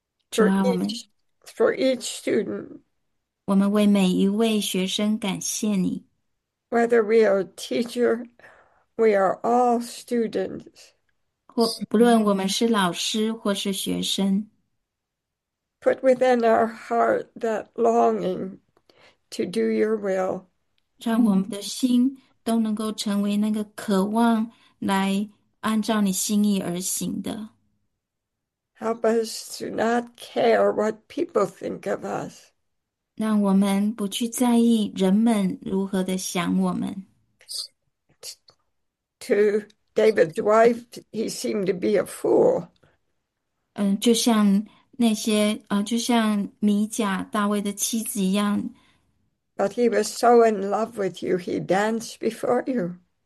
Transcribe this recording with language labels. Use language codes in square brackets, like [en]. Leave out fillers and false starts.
[zh] 主啊， [en] for each student. [zh] 我们为每一位学生感谢你。 [en] Whether we are a teacher, we are all students. [zh] 不论我们是老师或是学生。 [en] Put within our heart that longing to do your will. [zh] 让我们的心都能够成为那个渴望来按照你心意而行的。 [en] Help us to not care what people think of us. [zh] 让我们不去在意人们如何的想我们。 [en] To David's wife, he seemed to be a fool. [zh] 就像那些，就像米甲大卫的妻子一样。 [en] But he was so in love with you, he danced before you.